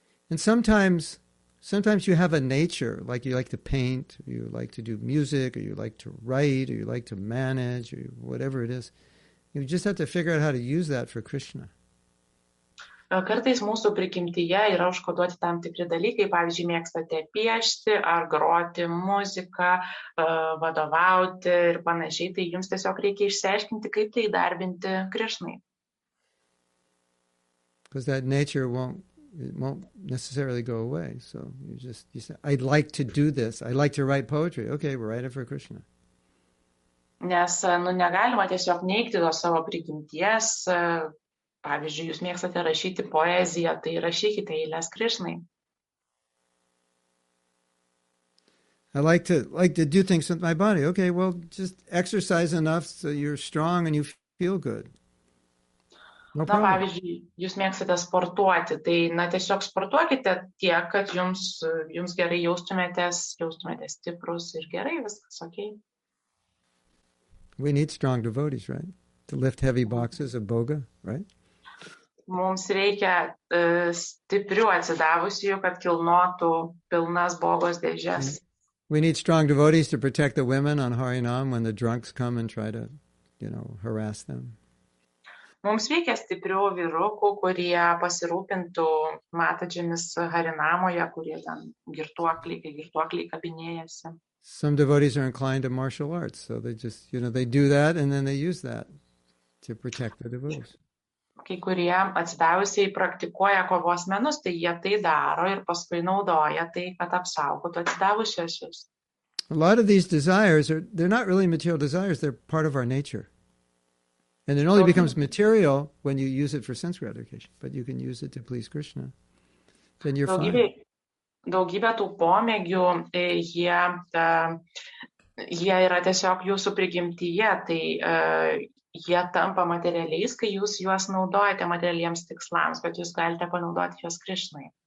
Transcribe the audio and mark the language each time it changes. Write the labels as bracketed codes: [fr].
[en] And sometimes you have a nature, like you like to paint, or you like to do music, or you like to write, or you like to manage, or whatever it is. You just have to figure out how to use that for Krishna. [lt] Kartais mūsų prikimtyje yra užkoduoti tam tikri dalykai, pavyzdžiui, mėgstate piešti ar groti muziką, vadovauti ir panašiai, tai jums tiesiog reikia išsiaiškinti, kaip tai įdarbinti Krišnai. [en] Because that nature won't necessarily go away, so you say, I'd like to do this, I'd like to write poetry, okay, write it for Krishna. [lt] Nes negalima tiesiog neigti to savo prikimties, pavyzdžiui, jūs mėgstate rašyti poeziją, tai rašykite eiles Krišnai. [en] I like to do things with my body. Okay, well, just exercise enough so you're strong and you feel good. No problem. [lt] Na, pavyzdžiui, jūs mėgstate sportuoti, tai na, tiesiog sportuokite tiek, kad jums gerai jaustumėtės stiprus ir gerai, viskas, okay? [en] We need strong devotees, right? To lift heavy boxes of boga, right? [lt] Mums reikia stiprių atsidavusių, kad kilnotų pilnas bogos dėžės. [en] We need strong devotees to protect the women on Harinam when the drunks come and try to, you know, harass them. [lt] Mums reikia stiprių vyrukų, kurie pasirūpintų matadžiamis Harinamoje, kurie ten girtuokliai kabinėjasi. [en] Some devotees are inclined to martial arts, so they just, you know, they do that and then they use that to protect the devotees. [lt] Kai kurie atsidavusiai praktikuoja kovos menus, tai jie tai daro ir paskui naudoja tai, kad apsaugotų atsidavusiosius. [en] A lot of these desires they're not really material desires, they're part of our nature. And it only becomes material when you use it for sense gratification, but you can use it to please Krishna. Then you're fine. [lt] Daugybė tų pomėgių, jie yra tiesiog jūsų prigimtyje, tai jie tampa materialiais, kai jūs juos naudojate materialiems tikslams, bet jūs galite panaudoti juos Krišnai.